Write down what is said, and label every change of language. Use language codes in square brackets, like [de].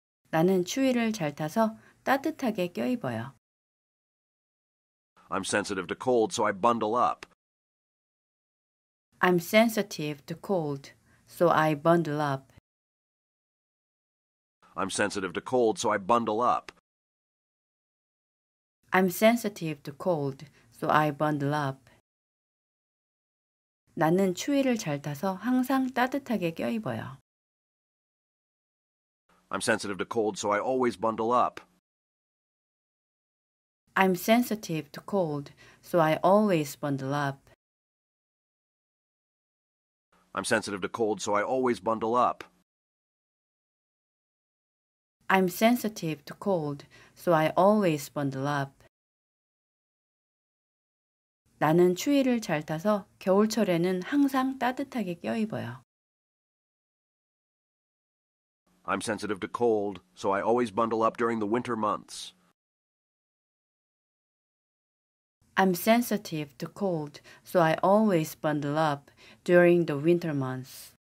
[ko] 나는 추위를 잘 타서 따뜻하게 껴입어요. [en] I'm sensitive to cold, so I bundle up. I'm sensitive to cold, so I bundle up. I'm sensitive to cold, so I bundle up. I'm sensitive to cold, so I bundle up. [ko] 나는 추위를 잘 타서 항상 따뜻하게 껴입어요. [en] I'm sensitive to cold, so I always bundle up. I'm sensitive to cold, so I always bundle up. I'm sensitive to cold, so I always bundle up. I'm sensitive to cold, so I always bundle up. [ko] 나는 추위를 잘 타서 겨울철에는 항상 따뜻하게 껴입어요. [en] I'm sensitive to cold, so I always bundle up during the winter months. I'm sensitive to cold, so I always bundle up during the winter months.